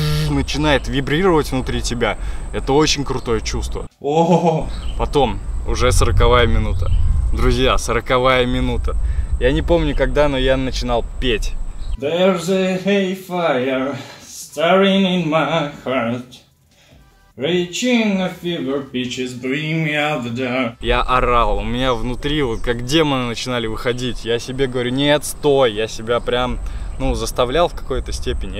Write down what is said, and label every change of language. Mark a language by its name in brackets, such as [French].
[Russian] Начинает вибрировать внутри тебя. Это очень крутое чувство. О-о-о. Потом, уже 40-я минута. Друзья, 40-я минута. Я не помню когда, но я начинал петь. [English] There's a hay fire starring in my heart. Reaching a fever pitch is bringing me out the dark. [Russian] Я орал, у меня внутри вот как демоны начинали выходить. Я себе говорю, нет, стой. Я себя прям, ну, заставлял в какой-то степени.